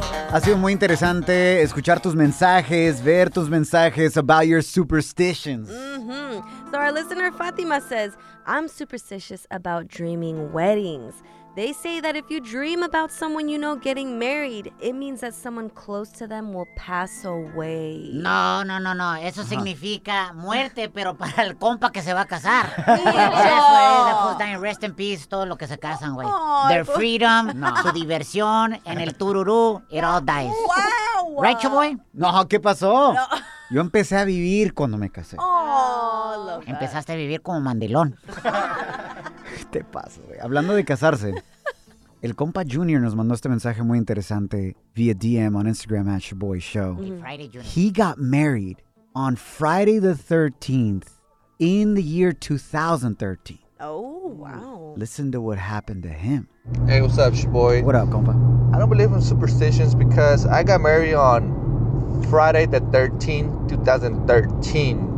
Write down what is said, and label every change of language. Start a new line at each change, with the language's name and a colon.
Spanish: Ha sido muy interesante escuchar tus mensajes, ver tus mensajes
English: about your superstitions. Mm-hmm. So our listener Fatima says, I'm superstitious about dreaming weddings. They say that if you dream about someone you know getting married, it means that someone close to them will pass away.
Spanish: No. Eso significa muerte, pero para el compa que se va a casar.
English: That's why they're rest in peace,
Spanish: todo lo que se casan, güey.
English: Their freedom,
Spanish: su diversión, en el tururú,
English: it all dies. Wow. Right, Shaboy?
Spanish: No, ¿qué pasó? Yo empecé a vivir cuando me casé.
English: Oh, love that.
Spanish: Empezaste a vivir como mandilón. Te paso, güey. Hablando de casarse, el compa Junior nos mandó este mensaje muy interesante
English: via DM on Instagram at Shaboy Show. Friday, Junior. He got married on Friday the 13th in the year 2013. Oh, wow. Listen to what happened to him. Hey, what's up, shboy? What up, compa? I don't believe in superstitions because I got married on Friday the 13th, 2013.